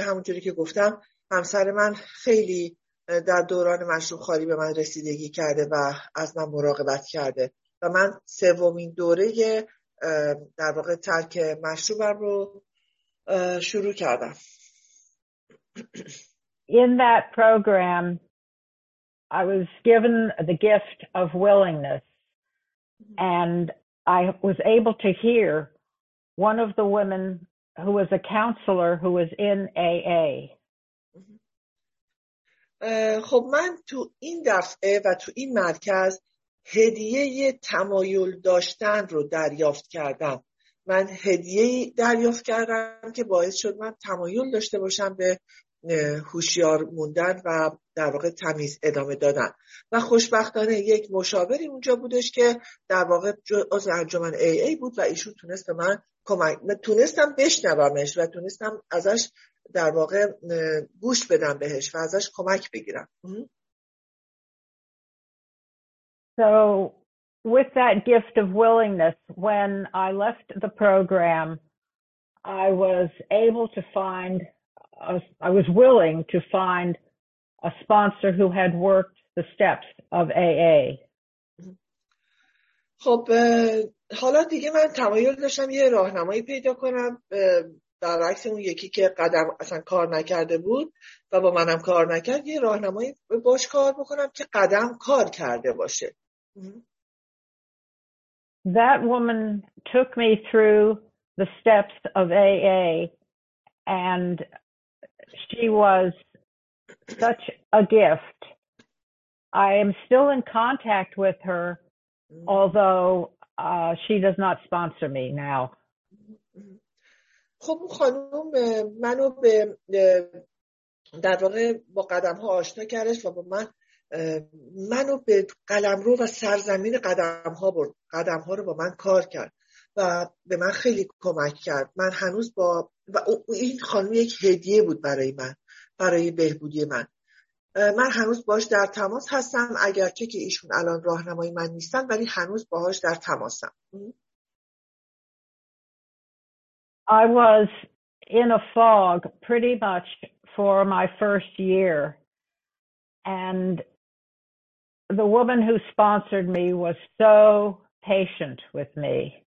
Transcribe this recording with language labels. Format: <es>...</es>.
<fa>همونجوری که گفتم همسر من خیلی در دوران مشروب خاری به من رسیدگی کرده و از من مراقبت کرده و من سومین دوره در واقع ترک مشروبم رو شروع کردم.</fa> <en>In that program, I was given the gift of willingness, and I was able to hear one of the women who was a counselor who was in AA.</en> <fa>خب من تو این دفعه و تو این مرکز هدیه تمایل داشتن رو دریافت کردم. من هدیه دریافت کردم که باعث شد من تمایل داشته باشم به هوشیار موندن و در واقع تمیز ادامه دادن. و خوشبختانه یک مشاوری اونجا بودش که در واقع از انجمن ای ای بود و ایشون تونست به من کمک، تونستم بشنومش و تونستم ازش در واقع گوش بدم بهش و ازش کمک بگیرم.</fa> <en>So with that gift of willingness, when I left the program, I was able to find I was willing to find a sponsor who had worked the steps of AA.</en> <fa>خب حالا دیگه من تمایل داشتم یه راهنمایی پیدا کنم در عکس اون یکی که قدم اصلا کار نکرده بود و با منم کار نکرد، یه راهنمایی باش کار بکنم که قدم کار کرده باشه.</fa> <en>That woman took me through the steps of AA and she was such a gift. I am still in contact with her, although she does not sponsor me now.</en> <fa>خب خانم منو به در واقع با قدم ها آشنا کردش و با من منو به قلمرو و سرزمین قدم ها برد، قدم ها رو با من کار کرد و به من خیلی کمک کرد. من هنوز با و این خانم یک هدیه بود برای من، برای بهبودی من. من هنوز باهاش در تماس هستم، اگرچه که ایشون الان راهنمای من نیستن، ولی هنوز باهاش در تماسم.</fa> <en>I was in a fog pretty much for my first year and the woman who sponsored me was so patient with me.</en>